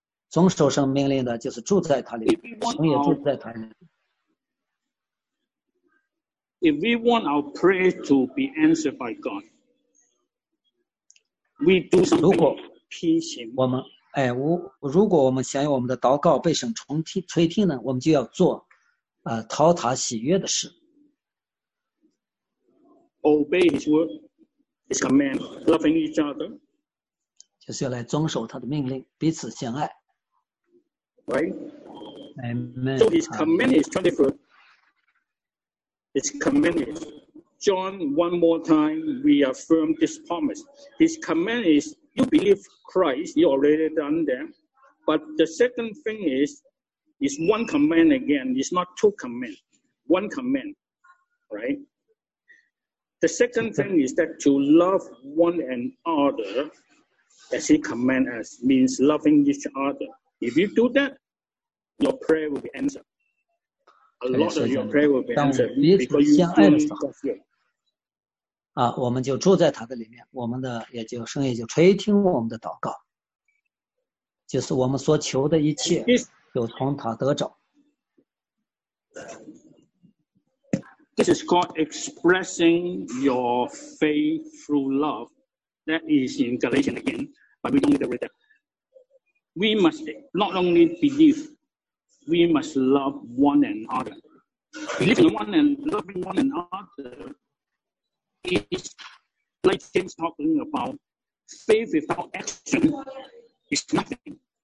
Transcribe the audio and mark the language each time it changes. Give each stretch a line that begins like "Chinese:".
Chinese: 遵守神命令的，就是住在他里，神也住在他里。
English: If we want our prayer to be answered by God, we do something to please Him.
Chinese: 我们，哎，如果我们想要我们的祷告被神垂听呢，我们就要做，讨他喜悦的事。
English: Obey His word, His command, loving each other.
Chinese: 就是要来遵守他的命令，彼此相爱。
English: Right. Amen. So his command is 24. His command is John. One more time, we affirm this promise. His command is: you believe Christ. You already done that. But the second thing is one command again. It's not two command. One command. Right. The second thing is that to love one another, as he command us, means loving each other. If you do that. Your prayer will be answered. A lot of your prayer will be answered because you love God's will.
Chinese: 啊，我们就住在他的里面，我们的也就圣灵就垂听我们的祷告，就是我们所求的一切，就从他得着。
English: This is called expressing your faith through love. That is in Galatians again, but we don't need to read that. We must not only believe. We must love one another. Believing one and loving one another is like James talking about faith without action is nothing.